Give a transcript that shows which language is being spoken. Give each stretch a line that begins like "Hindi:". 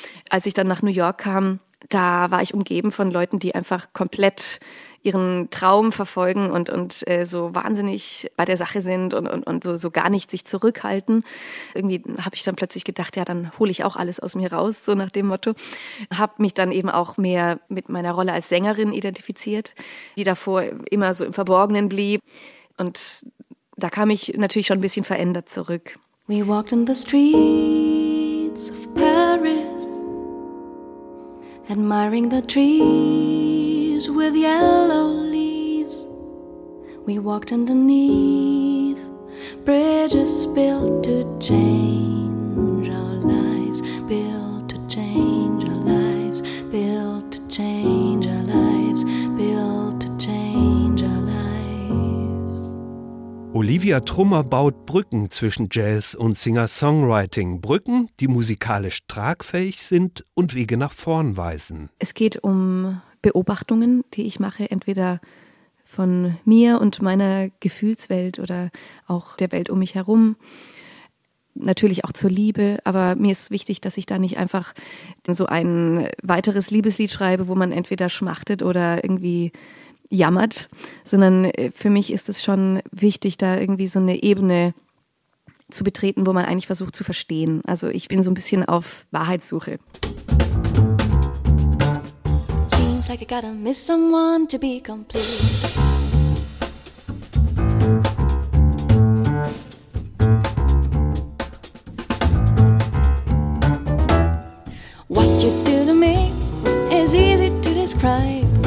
German: Als ich dann nach New York kam, da war ich umgeben von Leuten, die einfach komplett ihren Traum verfolgen und so wahnsinnig bei der Sache sind und so gar nicht sich zurückhalten. Irgendwie habe ich dann plötzlich gedacht, ja, dann hole ich auch alles aus mir raus, so nach dem Motto. Habe mich dann eben auch mehr mit meiner Rolle als Sängerin identifiziert, die davor immer so im Verborgenen blieb. Und da kam ich natürlich schon ein bisschen verändert zurück.
English: We walked in the streets of Paris, admiring the trees with yellow leaves. We walked underneath bridges built to change our lives, built to change our lives, built to change our lives, built to change our lives.
German: Olivia Trummer baut Brücken zwischen Jazz und Singer-Songwriting. Brücken, die musikalisch tragfähig sind und Wege nach vorn weisen. Es geht um Beobachtungen, die ich mache, entweder von mir und meiner Gefühlswelt oder auch der Welt um mich herum. Natürlich auch zur Liebe, aber mir ist wichtig, dass ich da nicht einfach so ein weiteres Liebeslied schreibe, wo man entweder schmachtet oder irgendwie jammert, sondern für mich ist es schon wichtig, da irgendwie so eine Ebene zu betreten, wo man eigentlich versucht zu verstehen. Also ich bin so ein bisschen auf Wahrheitssuche.
English: Seems like I gotta miss someone to be complete. What you do to me is easy to describe.